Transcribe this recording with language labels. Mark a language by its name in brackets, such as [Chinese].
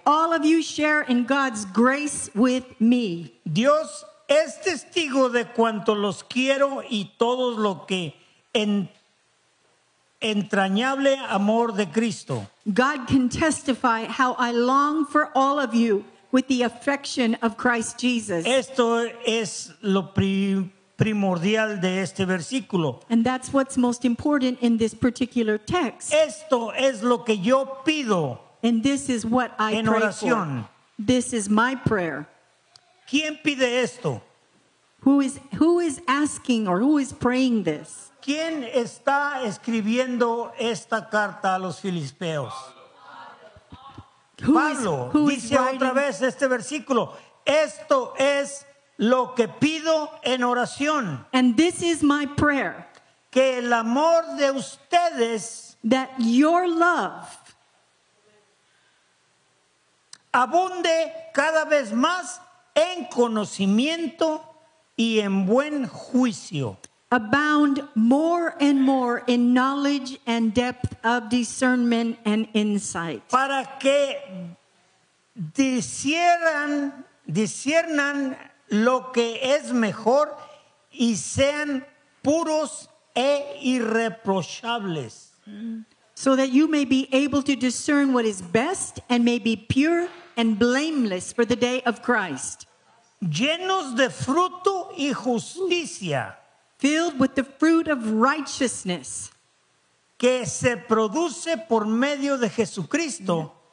[English] All of you share in God's grace with me. [Spanish] Dios es testigo de cuanto los quiero y todo lo que entrañable amor de Cristo. [English] God can testify how I long for all of you with the affection of Christ Jesus. [Spanish] Esto es lo primordial de este versículo. [English] And that's what's most important in this particular text. [Spanish] Esto es lo que yo pido. [English] And this is what I [Spanish] en oración. [English] Pray for. This is my prayer. [Spanish] ¿Quién pide esto? [English] Who is asking or who is praying this? [Spanish] ¿Quién está escribiendo esta carta a los filipeos? Pablo. Dice otra vez este versículo. Esto es lo que pido en oración. [English] And this is my prayer. [Spanish] Que el amor de ustedes. [English] That your love. [Spanish] Abunde cada vez más en conocimiento y en buen juicio. [English] Abound more and more in knowledge and depth of discernment and insight. [Spanish] Para que disiernan lo que es mejor y sean puros e irreprochables. [English] So that you may be able to discern what is best and may be pure and blameless for the day of Christ. [Spanish] Llenos de fruto y justicia. [English] Filled with the fruit of righteousness. [Spanish] Que se produce por medio de Jesucristo.